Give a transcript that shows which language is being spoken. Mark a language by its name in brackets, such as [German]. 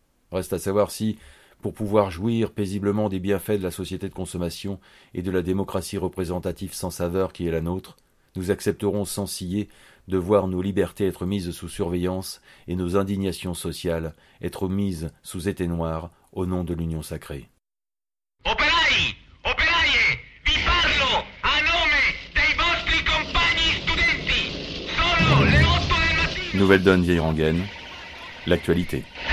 [French] Reste à savoir si, pour pouvoir jouir paisiblement des bienfaits de la société de consommation et de la démocratie représentative sans saveur qui est la nôtre, nous accepterons sans ciller de voir nos libertés être mises sous surveillance et nos indignations sociales être mises sous éteignoir au nom de l'Union sacrée. [Italian] Operai, operaie, vi parlo a nome dei vostri compagni studenti. Sono le 8 del mattino. [French] Nouvelle donne vieille rengaine, l'actualité.